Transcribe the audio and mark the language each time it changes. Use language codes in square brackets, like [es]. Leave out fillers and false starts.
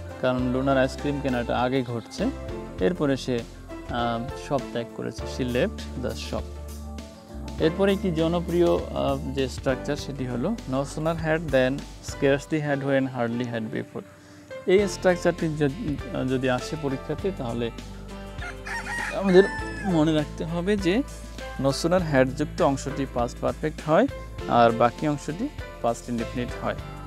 [bn] কারণ lunar ice cream কেনাটা আগে ঘটছে এরপরে সে শপ ত্যাগ করেছে [en] She left the shop. [bn] এরপরে একটি জনপ্রিয় যে স্ট্রাকচার সেটি হলো [en] No sooner had than scarcely had when hardly had before. [bn] এই স্ট্রাকচারটি যদি আসে পরীক্ষাতে তাহলে আমাদের মনে রাখতে হবে যে No sooner had যুক্ত অংশটি past perfect হয় আর বাকি অংশটি past indefinite হয়